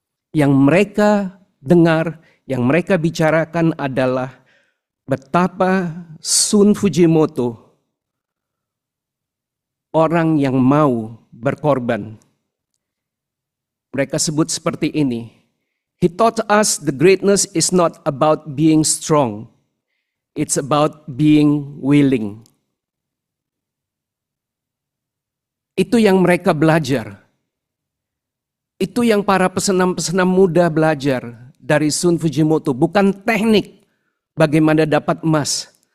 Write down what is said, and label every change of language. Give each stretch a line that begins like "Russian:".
Indonesian: Yang mereka dengar, yang mereka bicarakan adalah betapa Sun Fujimoto orang yang mau berkorban. Mereka sebut seperti ini.
English: He taught us the greatness is not about being strong. It's about being willing.
Indonesian: Itu yang mereka belajar. Itu yang para pesenam-pesenam muda belajar dari Sun Fujimoto. Bukan teknik bagaimana dapat emas.